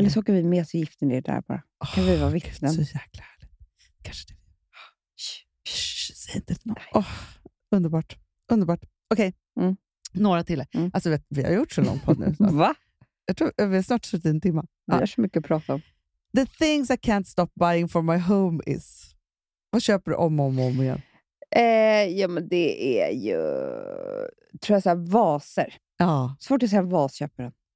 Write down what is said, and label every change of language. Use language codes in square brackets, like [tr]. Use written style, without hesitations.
[sv] Eller så åker vi med så gifter ni där bara. Kan vi vara vittnen? Så jäkla härligt. Kanske det. Säg inte det. Underbart. Okej. Mm. Några till. Mm. Alltså vi har gjort så lång podd nu. Va? Jag tror vi har snart suttit en timme. Det är så mycket att prata om. [en] The things I can't stop buying for my home is. [sv] Vad köper du om igen? Ja, men det är ju, tror jag, så här vaser. Ja. Svårt att säga vasköparen.